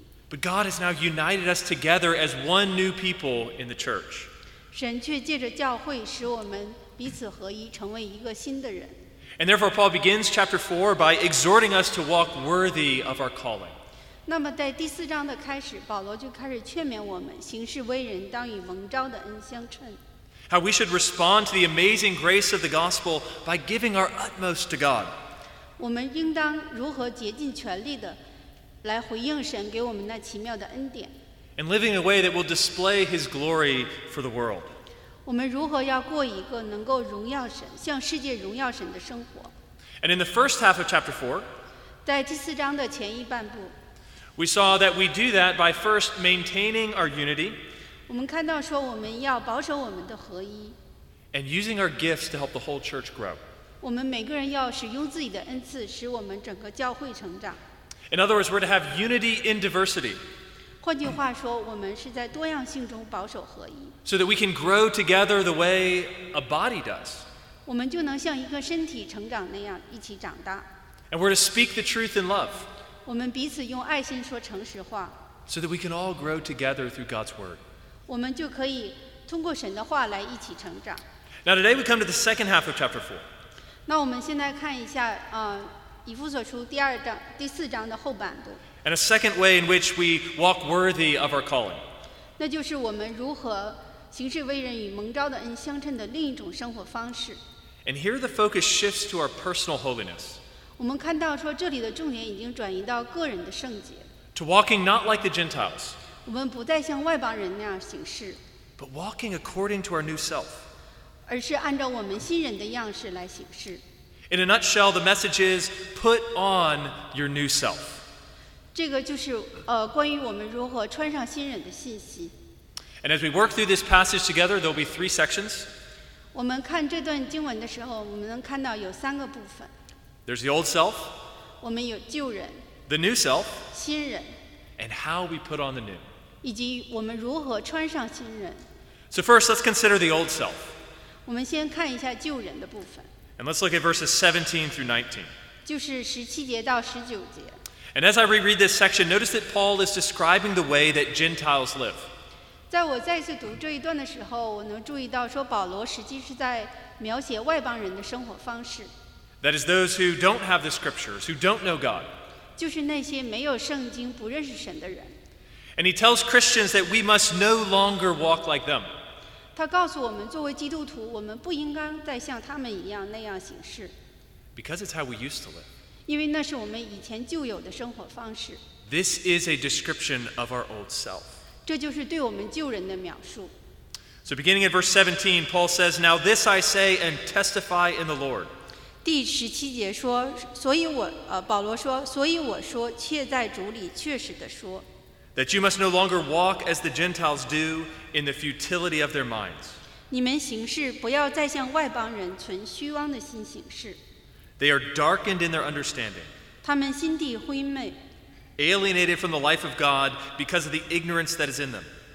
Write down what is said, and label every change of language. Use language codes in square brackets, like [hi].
[en] But God has now united us together as one new people in the church. [zh] 神却借着教会使我们彼此合一，成为一个新的人。 [en] And therefore, Paul begins chapter 4 by exhorting us to walk worthy of our calling. [zh] 那么在第四章的开始，保罗就开始劝勉我们，行事为人当与蒙召的恩相称。 [en] How we should respond to the amazing grace of the gospel by giving our utmost to God. [zh] 我们应当如何竭尽全力地来回应神给我们那奇妙的恩典。 [en] And living in a way that will display His glory for the world. [zh] 我们如何要过一个能够荣耀神、向世界荣耀神的生活。 [en] And in the first half of chapter 4, [zh] 在第四章的前一半部， [en] we saw that we do that by first maintaining our unity. [zh] 我们看到说我们要保守我们的合一。 [en] And using our gifts to help the whole church grow. [zh] 我们每个人要使用自己的恩赐使我们整个教会成长。 [en] In other words, we're to have unity in diversity. [zh] 换句话说，我们是在多样性中保守合一。 [en] So that we can grow together the way a body does. [zh] 我们就能像一个身体成长那样一起长大。 [en] And we're to speak the truth in love. [zh] 我们彼此用爱心说诚实话。 [en] So that we can all grow together through God's word. [zh] 我们就可以通过神的话来一起成长。 [en] Now today we come to the second half of chapter 4. [zh] 那我们现在看一下以弗所书第二章第四章的后半部。 [en] And a second way in which we walk worthy of our calling. [zh] 那就是我们如何行事为人与蒙召的恩相称的另一种生活方式。 [en] And here the focus shifts to our personal holiness. [zh] 我们看到说这里的重点已经转移到个人的圣洁。 [en] To walking not like the Gentiles. [zh] 我们不再像外邦人那样行事。 [en] But walking according to our new self. [zh] 而是按照我们新人的样式来行事。 [en] In a nutshell, the message is, put on your new self. [zh] 这个就是关于我们如何穿上新人的信息。 [en] And as we work through this passage together, there'll be three sections. [zh] 我们看这段经文的时候，我们能看到有三个部分。 [en] There's the old self. [zh] 我们有旧人。 [en] The new self. [zh] 新人。 [en] And how we put on the new. [zh] 以及我们如何穿上新人。 [en] So first, let's consider the old self. [zh] 我们先看一下旧人的部分。 [en] And let's look at verses 17 through 19. [zh] 就是17节到19节。 [en] And as I reread this section, notice that Paul is describing the way that Gentiles live. [zh] 在我再次读这一段的时候，我能注意到说保罗实际是在描写外邦人的生活方式。 [en] That is those who don't have the scriptures, who don't know God. [zh] 就是那些没有圣经、不认识神的人。 [en] And he tells Christians that we must no longer walk like them. [zh] 他告诉我们，作为基督徒，我们不应该再像他们一样那样行事。 [en] Because it's how we used to live. [zh] 因为那是我们以前旧有的生活方式。 [en] This is a description of our old self. [zh] 这就是对我们旧人的描述。 [en] So beginning at verse 17, Paul says, "Now this I say and testify in the Lord." [zh] 第十七节说，所以我保罗说，所以我说，却在主里确实的说。 [en] That you must no longer walk as the Gentiles do in the futility of their minds. [zh] 你们行事不要再像外邦人存虚妄的心行事。 [en] They are darkened in their understanding. [zh] 他们心地昏昧。 [en] Alienated from the life of God because of the ignorance that is in them.